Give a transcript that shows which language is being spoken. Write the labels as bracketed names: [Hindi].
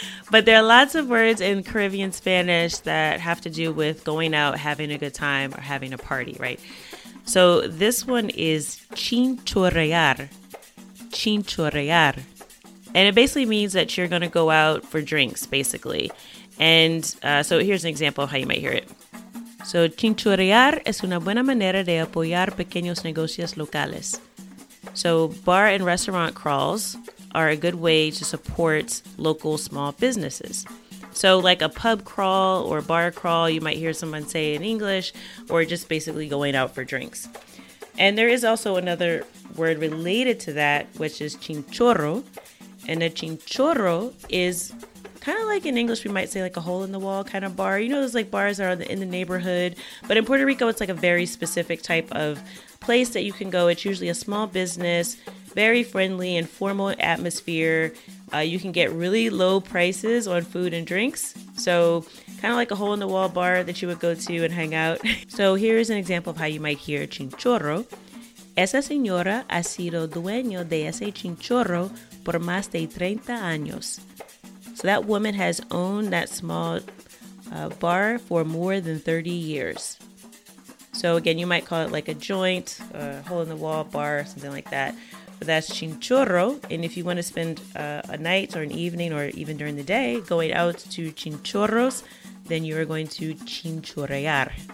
[English] But there are lots of words in Caribbean Spanish that have to do with going out, having a good time, or having a party, right? So this one is chinchorrear. Chinchorrear. And it basically means that you're going to go out for drinks, basically. And so here's an example of how you might hear it. [Spanish] So chinchorear es una buena manera de apoyar pequeños negocios locales. [English] So bar and restaurant crawls are a good way to support local small businesses. So like a pub crawl or bar crawl, you might hear someone say in English, or just basically going out for drinks. And there is also another word related to that, which is chinchorro. And a chinchorro is kind of like in English, we might say like a hole in the wall kind of bar. You know, those like bars that are in the neighborhood. But in Puerto Rico, it's like a very specific type of place that you can go. It's usually a small business, very friendly and formal atmosphere. You can get really low prices on food and drinks. So kind of like a hole in the wall bar that you would go to and hang out. So here's an example of how you might hear chinchorro. [Spanish] Esa señora ha sido dueño de ese chinchorro por más de 30 años. [English] So that woman has owned that small bar for more than 30 years. So again, you might call it like a joint, a hole in the wall bar, something like that. But that's chinchorro. And if you want to spend a night or an evening or even during the day going out to chinchorros, then you are going to chinchorrear.